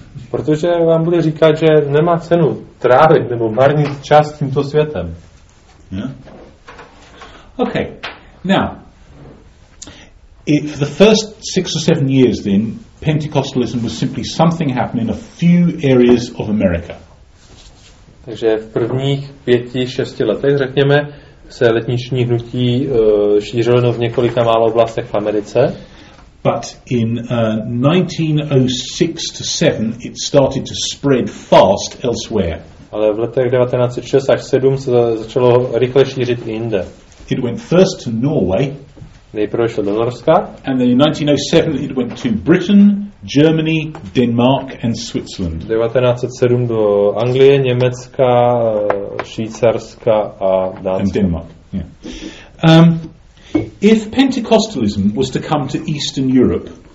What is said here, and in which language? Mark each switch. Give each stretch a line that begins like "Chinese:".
Czech: Protože vám bude říkat, že nemá cenu trávit nebo marnit čas tímto světem.
English: Yeah. Okay. Now, if the first 6 or 7 years then Pentecostalism was simply something happening in a few areas of America.
Czech: Takže v prvních 5-6 letech, řekněme, se letniční hnutí šířilo jenom v několika málo oblastech v Americe.
English: But in 1906 to 7 it started to spread fast elsewhere.
Czech: Ale v letech 1906 až 7 se začalo rychle šířit i jinde.
English: It went first to Norway.
Czech: Nejprve šlo do Norska.
English: And then in 1907 it went to Britain, Germany, Denmark and Switzerland.
Czech: 1907 do Anglie, Německa, Švýcarska a Dánska.
English: And Denmark. Yeah. If Pentecostalism was to come to Eastern Europe,